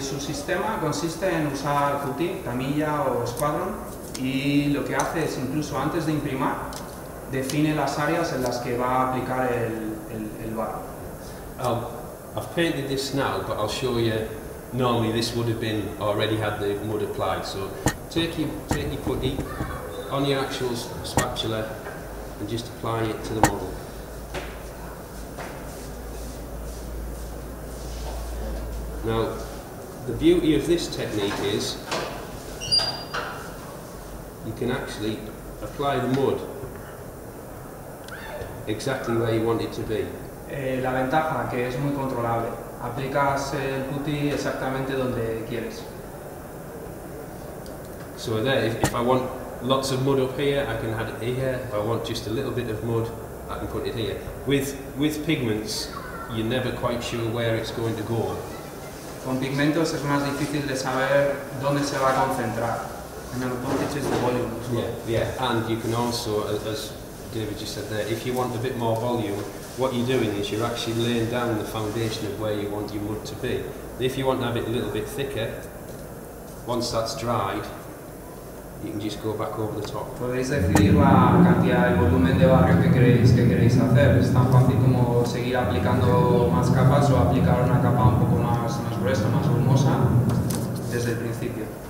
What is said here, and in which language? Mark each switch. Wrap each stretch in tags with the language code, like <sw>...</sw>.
<es>Su sistema consiste en usar putty, Tamiya o Squadron, y lo que hace es, incluso antes de imprimar, define las áreas en las que va a aplicar el barro.</es> <en>I've painted this now, but I'll show you, normally this would have been already had the mud applied, so take your putty on the actual spatula and just apply it to the model. Now, the beauty of this technique is you can actually apply the mud exactly where you want it to be.</en> <es>La ventaja que es muy controlable. Aplicas el putty exactamente donde quieres.</es> <en>So there, if I want lots of mud up here, I can add it here. If I want just a little bit of mud, I can put it here. With pigments, you're never quite sure where it's going to go.</en> <es>Con pigmentos es más difícil de saber dónde se va a concentrar.</es> <en>And the voltage is the volume. Yeah, yeah. And you can also, as David just said there, if you want a bit more volume, what you're doing is you're actually laying down the foundation of where you want your mud to be. If you want to have it a little bit thicker, once that's dried, you can just go back over the top.</en> <es>Podéis decidir la cantidad de volumen de barrio que queréis hacer. Es tan fácil como seguir aplicando más capas o aplicar una capa un poco más gruesa, más grumosa, desde el principio.</es>